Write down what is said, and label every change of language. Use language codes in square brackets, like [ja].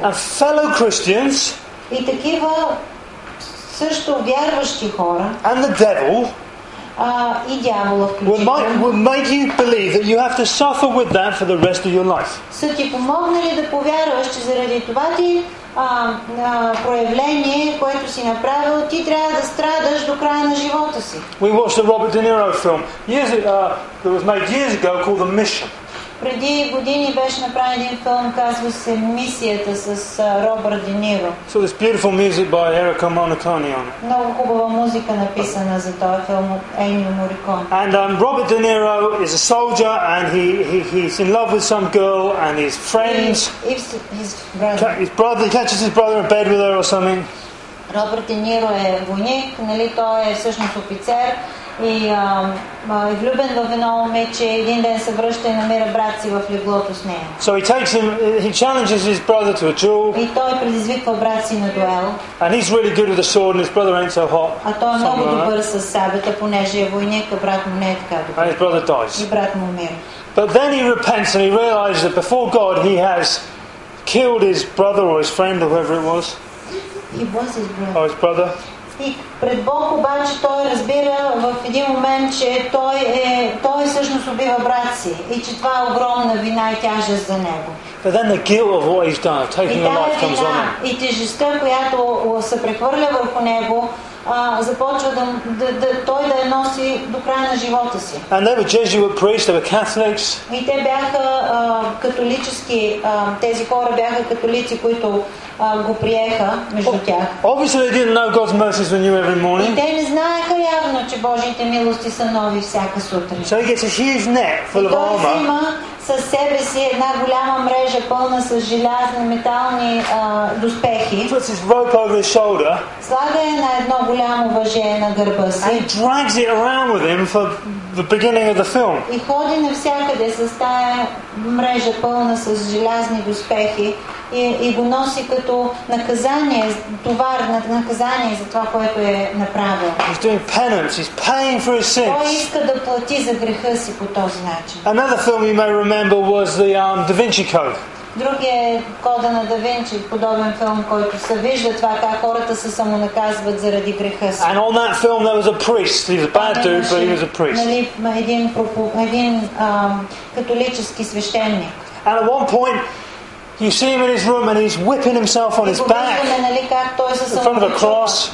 [en] A fellow Christians. [bg] И такива също вярващи хора. [en] And the devil. [bg] И дявола включително. [en] Will make you believe that you have to suffer with that for the rest of your life. [bg] Са ти помогнали да повярваш, че заради това ти проявление, което си направил, ти трябва да страдаш до края на живота си. [en] We watched a Robert De Niro film that was made years ago called The Mission. [bg] Преди години беше направен един филм, казва се Мисията с Робърт Де Ниро. [en] So this beautiful music by Erica Monacone on. [bg] Много хубава музика написана за този филм от Ennio Morricone. [en] And Robert De Niro is a soldier and he's in love with some girl and his friends. His brother catches his brother in bed with her or something. [bg] Робърт Де Ниро е войник, нали, той е всъщност офицер. И е влюбен в едно момиче, един ден се връща и намира брат си в леглото с нея. [en] So he takes him, he challenges his brother to a duel. [bg] И той предизвиква брат си на дуел. [en] And he's really good with the sword and his brother ain't so hot. [bg] А той е много добър с сабята, понеже е войник, брат му не е така добър. [en] And his brother dies. [bg] И брат му умира. [en] But then he repents and he realizes that before God he has killed his brother or his friend or whoever it was. He was his brother. Oh, his brother. [bg] И пред Бог обаче той разбира в един момент, че той всъщност убива брат си и че това е огромна вина и тяжест за него. [en] But then the guilt of what he's done, taking the life comes on him. [bg] И тежестта, която се прехвърля върху него, започва той да я носи до края на живота си. [en] And they were Jesuit priests, they were Catholics. [bg] И те бяха католически, тези хора бяха католици, които го приеха между тях. [en] Obviously they didn't know God's mercies were new every morning. [bg] Те не знаеха явно, че Божиите милости са нови всяка сутрин. [en] So he gets a huge net full of armor. [bg] И той взима със себе си една голяма мрежа пълна с желязни метални доспехи. [en] He puts his rope over his shoulder. [bg] Слага я на едно голямо въже на гърба си. [en] And he drags it around with him for the beginning of the film. [bg] И ходи навсякъде с тая мрежа пълна с желязни доспехи. И го носи като наказание, товар на наказание за това, което е направил. [en] He's doing penance. He's paying for his sins. [bg] Той иска да плати за греха си по този начин. [en] Another film you may remember. remember was the Da Vinci Code. [bg] Другия кода на Да Винчи, подобен филм, който се вижда това как хората се самонаказват заради греха си. [en] And on that film there was a priest. He was a bad dude, but he was a priest. [bg] Един католически свещеник. [en] And at one point you see him in his room and he's whipping himself on his back in front of a cross.